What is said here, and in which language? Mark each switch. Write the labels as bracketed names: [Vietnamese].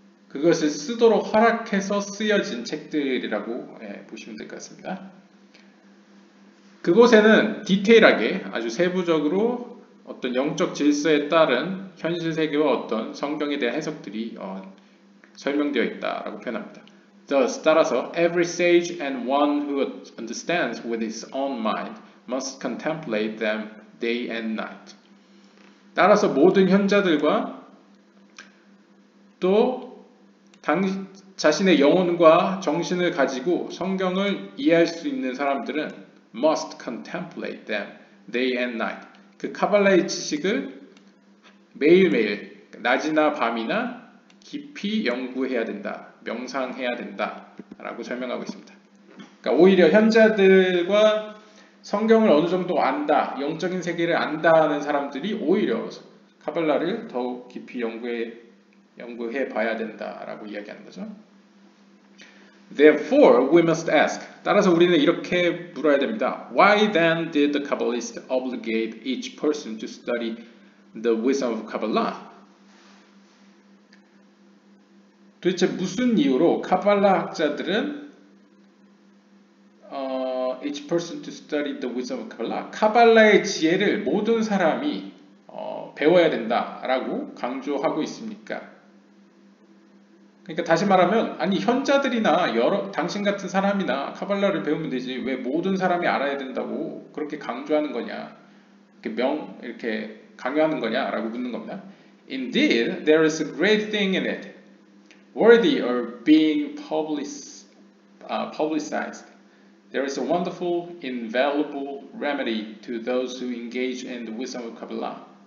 [Korean] 그것을 쓰도록 허락해서 쓰여진 책들이라고 보시면 될 것 같습니다. 그곳에는 디테일하게 아주 세부적으로 어떤 영적 질서에 따른 현실 세계와 어떤 성경에 대한 해석들이 설명되어 있다라고 표현합니다. [English] Thus, [Korean] 따라서 [English] every sage and one who understands with his own mind must contemplate them day and night. [Korean] 따라서 모든 현자들과 또 자신의 영혼과 정신을 가지고 성경을 이해할 수 있는 사람들은 [English] must contemplate them day and night. [Korean] 그 카발라의 지식을 매일매일 낮이나 밤이나 깊이 연구해야 된다. 명상해야 된다. 라고 설명하고 있습니다. 그러니까 오히려 현자들과 성경을 어느 정도 안다. 영적인 세계를 안다는 사람들이 오히려 카발라를 더욱 깊이 연구해 봐야 된다. 라고 이야기하는 거죠. [English] Therefore, we must ask. [Korean] 따라서 우리는 이렇게 물어야 됩니다. [English] Why then did the Kabbalist obligate each person to study the wisdom of Kabbalah? [Korean] 도대체 무슨 이유로 카발라 학자들은 [English] each person to study the wisdom of Kabbalah, [Korean] 카발라의 지혜를 모든 사람이 배워야 된다라고 강조하고 있습니까? 그러니까 다시 말하면 아니 현자들이나 당신 같은 사람이나 카발라를 배우면 되지 왜 모든 사람이 알아야 된다고 그렇게 강조하는 거냐? 이렇게 이렇게 강요하는 거냐라고 묻는 겁니다. [English] Indeed, there is a great thing in it. Worthy of being publicized. There is a wonderful, invaluable remedy to those who engage in the wisdom of Kabbalah.